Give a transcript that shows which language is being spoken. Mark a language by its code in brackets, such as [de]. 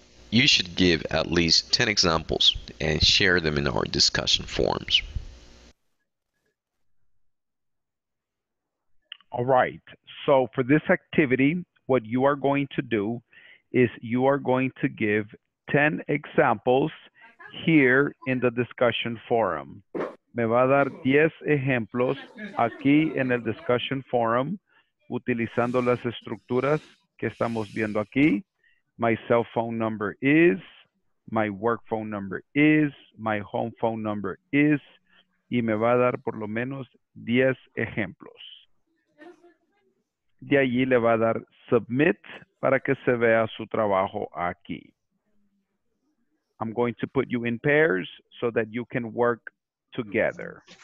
[en] You should give at least 10 examples and share them in our discussion forums. All right, so for this activity, what you are going to do is you are going to give 10 examples here in the discussion forum. [es] Me va a dar 10 ejemplos aquí en el discussion forum utilizando las estructuras que estamos viendo aquí. [en] My cell phone number is, my work phone number is, my home phone number is, [es] y me va a dar por lo menos 10 ejemplos. De allí le va a dar submit para que se vea su trabajo aquí. [en] I'm going to put you in pairs so that you can work together.